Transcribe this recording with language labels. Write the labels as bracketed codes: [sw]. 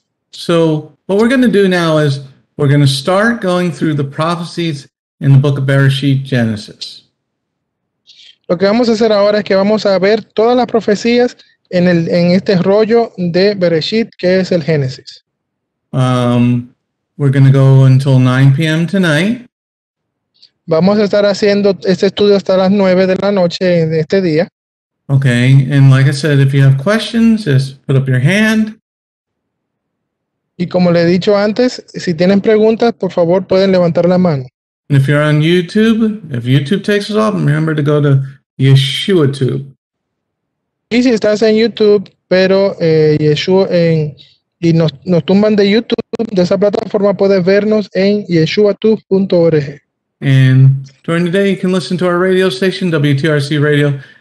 [en] So, what we're going to do now is we're going to start going through the prophecies in the book of Bereshit Genesis. [es] Lo que vamos a hacer ahora es que vamos a ver todas las profecías en este rollo de Bereshit, que es el Génesis. [en] We're going to go until 9 p.m. tonight. [es] Vamos a estar haciendo este estudio hasta las 9 de la noche de este día. [en] Okay, and like I said, if you have questions, just put up your hand. [es] Y como le he dicho antes, si tienen preguntas, por favor, pueden levantar la mano. [en] And if you're on YouTube, if YouTube takes us off, remember to go to YeshuaTube. [es] Y si estás en YouTube, pero Yeshua y nos tumban de YouTube, de esa plataforma puedes vernos en yeshuatube.org. [en] And during the day, you can listen to our radio station, WTRC Radio.